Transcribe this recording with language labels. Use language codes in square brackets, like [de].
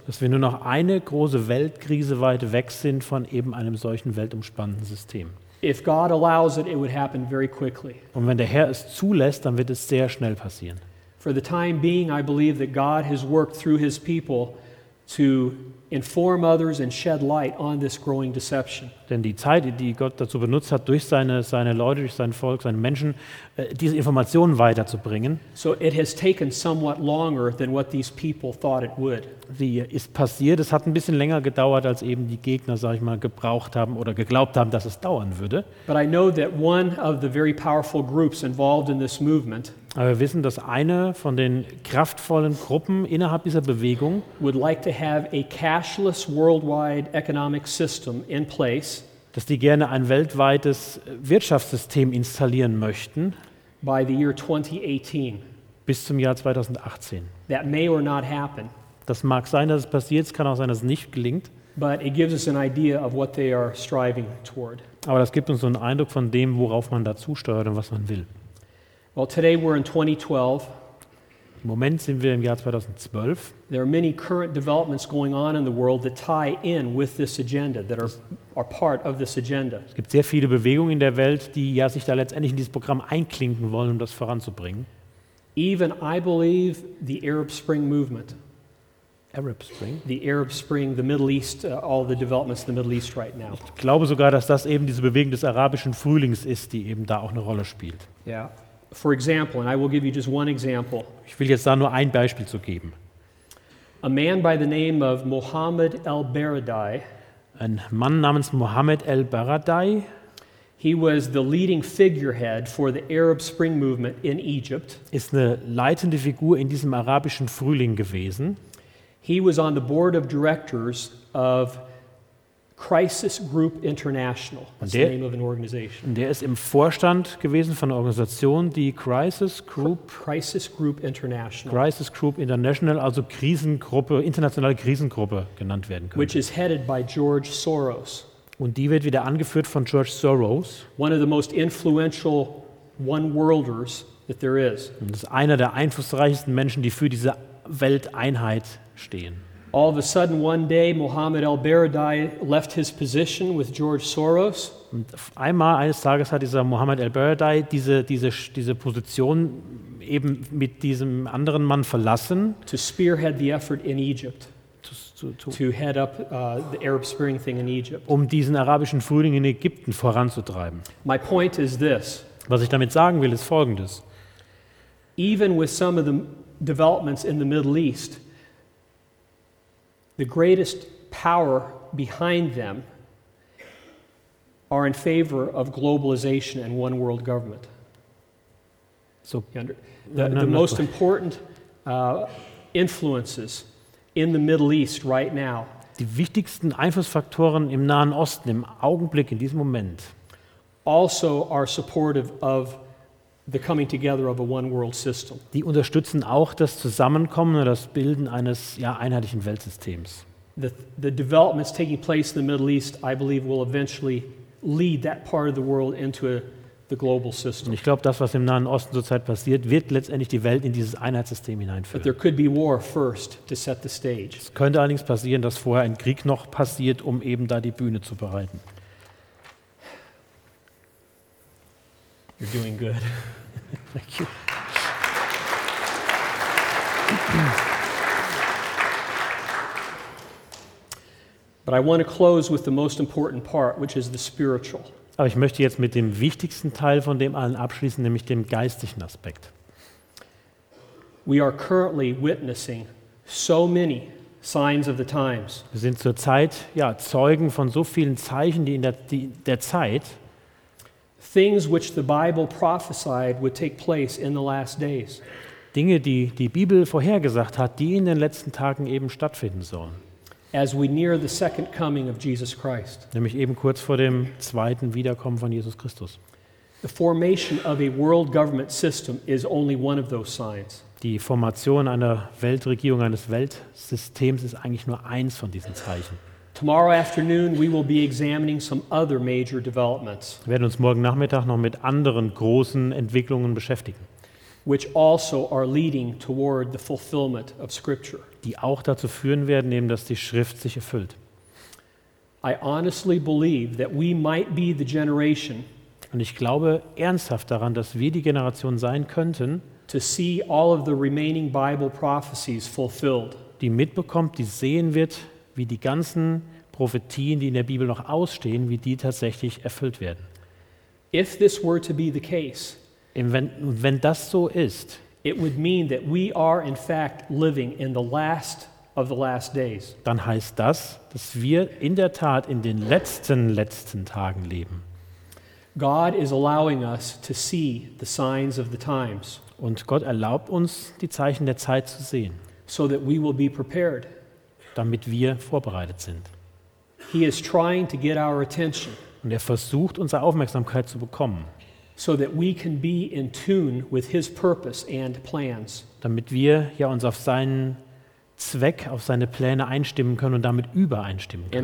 [de] Dass wir nur noch eine große Weltkrise weit weg sind von eben einem solchen weltumspannenden System. [en] If God allows it, it would happen very quickly. [de] Und wenn der Herr es zulässt, dann wird es sehr schnell passieren. [en] For the time being, I believe that God has worked through his people to inform others and shed light on this growing deception. [de] Denn die Zeit, die Gott dazu benutzt hat, durch seine Leute, durch sein Volk, seine Menschen, diese Informationen weiterzubringen. [en] So it has taken somewhat longer than what these people thought it would. [de] Wie ist passiert? Es hat ein bisschen länger gedauert, als eben die Gegner, sag ich mal, gebraucht haben oder geglaubt haben, dass es dauern würde. [en] But I know that one of the very powerful groups involved in this movement. [de] Aber wir wissen, dass eine von den kraftvollen Gruppen innerhalb dieser Bewegung [en] would like to have a cashless worldwide economic system in place, [de] dass die gerne ein weltweites Wirtschaftssystem installieren möchten, [en] by the year 2018. [de] Bis zum Jahr 2018. [en] That may or not happen. [de] Das mag sein, dass es passiert, es kann auch sein, dass es nicht gelingt. [en] But it gives us an idea of what they are striving toward. [de] Aber das gibt uns so einen Eindruck von dem, worauf man dazu steuert und was man will. [en] Well, today we're in 2012. [de] Im Moment sind wir im Jahr 2012. [en] There are many current developments going on in the world that tie in with this agenda, that are part of this agenda. [de] Es gibt sehr viele Bewegungen in der Welt, die ja sich da letztendlich in dieses Programm einklinken wollen, um das voranzubringen. [en] Even I believe the Arab Spring movement. Arab Spring. The Arab Spring, the Middle East, all the developments in the Middle East right now. [de] Ich glaube sogar, dass das eben diese Bewegung des arabischen Frühlings ist, die eben da auch eine Rolle spielt. [en] Yeah. For example, and I will give you just one example. [de] Ich will jetzt da nur ein Beispiel zu geben. [en] A man by the name of Mohammed El-Baradei. [de] Ein Mann namens Mohammed El-Baradei. [en] He was the leading figurehead for the Arab Spring movement in Egypt. [de] Ist eine leitende Figur in diesem arabischen Frühling gewesen. [en] He was on the board of directors of Crisis Group International. That's the name of an organization. [de] Und der ist im Vorstand gewesen von einer Organisation, die Crisis Group International. Crisis Group International, also Krisengruppe, internationale Krisengruppe genannt werden könnte. [en] Which is headed by George Soros. [de] Und die wird wieder angeführt von George Soros. [en] One of the most influential one-worlders that there is. [de] Und das ist einer der einflussreichsten Menschen, die für diese Welteinheit stehen. [en] All of a sudden, one day, Mohammed El-Baradei left his position with George Soros. [de] Und auf einmal eines Tages hat dieser Mohammed El-Baradei diese Position eben mit diesem anderen Mann verlassen. [en] To spearhead the effort in Egypt. to head up the Arab Spring thing in Egypt. [de] Um diesen arabischen Frühling in Ägypten voranzutreiben. [en] My point is this. [de] Was ich damit sagen will, ist Folgendes. [en] Even with some of the developments in the Middle East, the greatest power behind them are in favor of globalization and one world government. So the most important influences in the Middle East right now. [de] Die wichtigsten Einflussfaktoren im Nahen Osten im Augenblick in diesem Moment. [en] Also are supportive of the coming together of a one world system. [de] Die unterstützen auch das Zusammenkommen oder das Bilden eines einheitlichen Weltsystems. [en] The developments taking place in the Middle East, I believe, will eventually lead that part of the world into the global system. [de] Ich glaube, das, was im Nahen Osten zurzeit passiert, wird letztendlich die Welt in dieses Einheitssystem hineinführen. [en] But there could be war first to set the stage. [de] Es könnte allerdings passieren, dass vorher ein Krieg noch passiert, um eben da die Bühne zu bereiten. [en] You're doing good. Thank you. But I want to close with the most important part, which is the spiritual. [de] Aber ich möchte jetzt mit dem wichtigsten Teil von dem allen abschließen, nämlich dem geistlichen Aspekt. [en] We are currently witnessing so many signs of the times. [de] Wir sind zurzeit Zeugen von so vielen Zeichen, die in der Zeit. [en] Things which the Bible prophesied would take place in the last days. [de] Dinge, die die Bibel vorhergesagt hat, die in den letzten Tagen eben stattfinden sollen. [en] As we near the second coming of Jesus Christ. [de] Nämlich eben kurz vor dem zweiten Wiederkommen von Jesus Christus. [en] The formation of a world government system is only one of those signs. [de] Die Formation einer Weltregierung, eines Weltsystems ist eigentlich nur eins von diesen Zeichen. [en] Tomorrow afternoon we will be examining some other major developments. [de] Wir werden uns morgen Nachmittag noch mit anderen großen Entwicklungen beschäftigen. [en] Which also are leading toward the fulfillment of Scripture. [de] Die auch dazu führen werden, eben, dass die Schrift sich erfüllt. [en] I honestly believe that we might be the generation. [de] Und ich glaube ernsthaft daran, dass wir die Generation sein könnten, [en] to see all of the remaining Bible prophecies fulfilled. [de] Die mitbekommt, die sehen wird, wie die ganzen Prophetien, die in der Bibel noch ausstehen, wie die tatsächlich erfüllt werden. [en] If this were to be the case. [de] Wenn das so ist, [en] it would mean that we are in fact living in the last of the last days. [de] Dann heißt das, dass wir in der Tat in den letzten Tagen leben. [en] God is allowing us to see the signs of the times. [de] Und Gott erlaubt uns, die Zeichen der Zeit zu sehen, [en] so that we will be prepared. [de] Damit wir vorbereitet sind. [en] He is trying to get our attention. [de] Und er versucht, unsere Aufmerksamkeit zu bekommen. [en] So that we can be in tune with his purpose and plans. [de] Damit wir uns auf seinen Zweck, auf seine Pläne einstimmen können und damit übereinstimmen können.